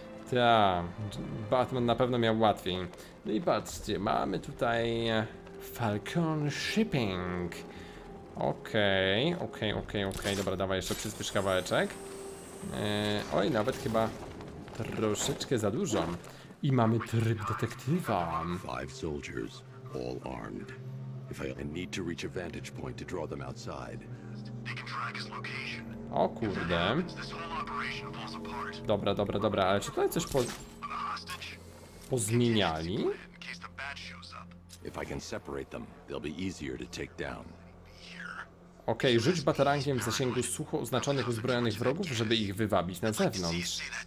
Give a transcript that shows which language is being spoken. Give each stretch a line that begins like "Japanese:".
Polish: Ta, Batman na pewno miał łatwiej. No i patrzcie, mamy tutaj Falcone Shipping. Okej, okay, okej, okay, okej, okay, okej. Okay. Dobra, dawaj jeszcze przyspiesz kawałeczek. Oj, nawet chyba troszeczkę za dużo. I mamy tryb detektywa.
English: Five soldiers, all armed. If I need to reach a vantage point to draw them outside.
Polish: O kurde. Dobra, dobra, dobra, ale czy tutaj coś pozmieniali?
English: If I can separate them, they'll be easier to take down.
Polish: Okej, okay, rzuć batarangiem w zasięgu sucho oznaczonych uzbrojonych wrogów, żeby ich wywabić na zewnątrz.